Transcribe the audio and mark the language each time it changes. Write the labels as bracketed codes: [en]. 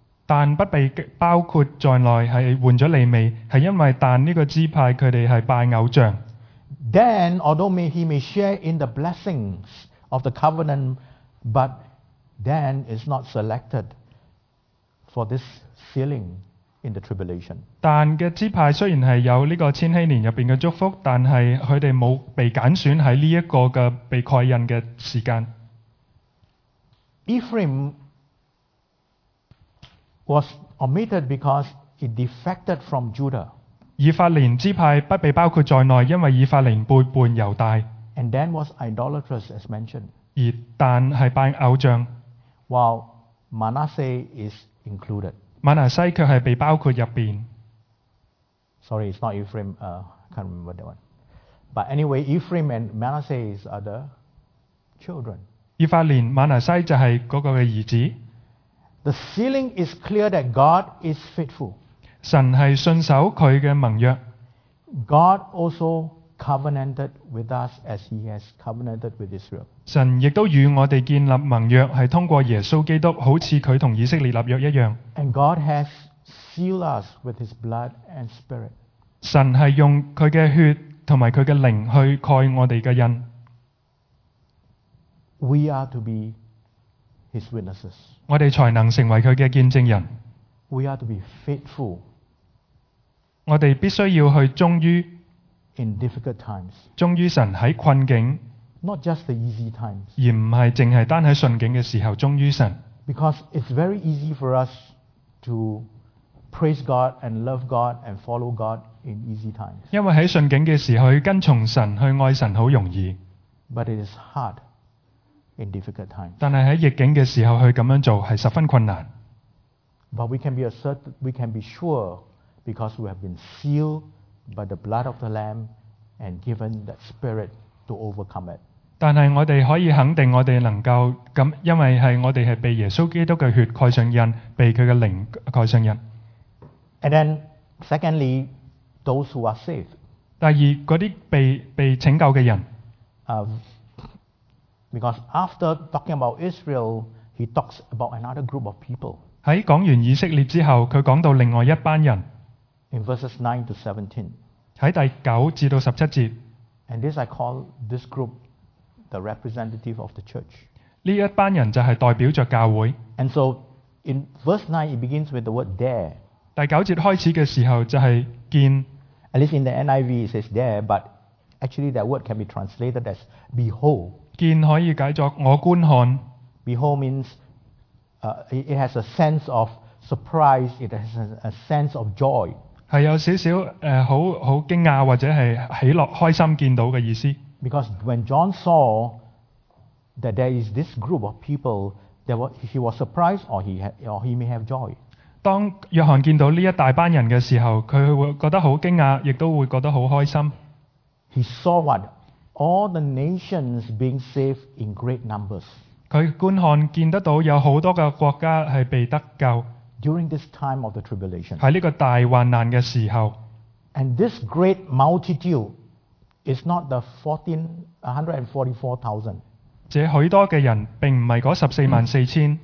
[zh] 但不被包括在內，是換了利未，是因為但這個支派他們是拜偶像。 [en] Dan, although he may share in the blessings of the covenant, but Dan is not selected for this sealing in the tribulation. [zh] 但的支派雖然是有這個千禧年裡面的祝福，但是他們沒有被揀選在這個的被蓋印的時間。 [en] Ephraim was omitted because he defected from Judah. [zh] 以法蓮支派不被包括在內，因為以法蓮背叛猶大。 [en] And Dan was idolatrous, as mentioned. [zh] 而但是拜偶像。 [en] While Manasseh is included. [zh] 馬拿西卻是被包括入邊。 [en] Sorry, it's not Ephraim. Can't remember that one. But anyway, Ephraim and Manasseh is other children. [zh] 以法蓮、馬拿西就是那個的兒子。 [en] The ceiling is clear that God is faithful. [zh] 神是信守祂的盟約。 [en] God also covenanted with us as He has covenanted with Israel. [zh] 神亦都與我們建立盟約，是通過耶穌基督，好像祂與以色列立約一樣。 [en] And God has seal us with His blood and spirit. [zh] 神是用祂的血和祂的灵去盖我们的印。 [en] We are to be His witnesses. [zh] 我们才能成为祂的见证人。 [en] We are to be faithful. [zh] 我们必须要去忠于。 [en] In difficult times. [zh] 忠于神在困境。 [en] Not just the easy times. [zh] 而不是只是单在顺境的时候忠于神。 [en] Because it's very easy for us to praise God and love God and follow God in easy times. [zh] 因为在顺境的时候去跟从神去爱神很容易。 [en] But it is hard in difficult times. [zh] 但是在逆境的时候去这样做是十分困难。 [en] But we can be sure because we have been sealed by the blood of the Lamb and given that spirit to overcome it. [zh] 但是我们可以肯定我们能够因为是我们是被耶稣基督的血盖上印被祂的灵盖上印。 [en] And then, secondly, those who are saved. [zh] 第二那些 被拯救的人。 [en] Because after talking about Israel, he talks about another group of people. [zh] 在讲完以色列之后他讲到另外一班人 [en] In verses 9 to 17 [zh] 在第9至到17节 [en] And this I call this group the representative of the church [zh] 这一班人就是代表着教会 [en] And so in verse 9 it begins with the word there [zh] 第9节开始的时候就是见 [en] At least in the NIV it says there but actually that word can be translated as behold [zh] 见可以解作我观看 [en] Behold means it has a sense of surprise. It has a sense of joy. [zh] 是有少少好好惊讶或者是喜乐开心见到的意思。 [en] Because when John saw that there is this group of people, he was surprised or he may have joy. [zh] 当约翰见到这一大班人的时候，他会觉得好惊讶，亦都会觉得好开心。 [en] He saw what all the nations being saved in great numbers. [zh] 他观看见得到有好多个国家是被得救。 [en] During this time of the tribulation. [zh] 在这个大患难的时候。 [en] And this great multitude is not the 144,000. [zh] 这许多的人并不是那144,000。